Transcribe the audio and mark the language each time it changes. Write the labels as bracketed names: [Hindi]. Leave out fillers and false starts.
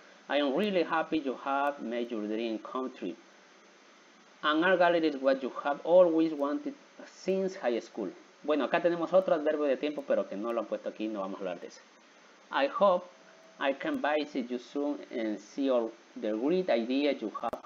[English] I am really happy you have made your dream come true. An art gallery is what you have always wanted since high school. [Spanish] Bueno, acá tenemos otro adverbio de tiempo, pero que no lo han puesto aquí, no vamos a hablar de eso. [English] I hope I can visit you soon and see all the great ideas you have.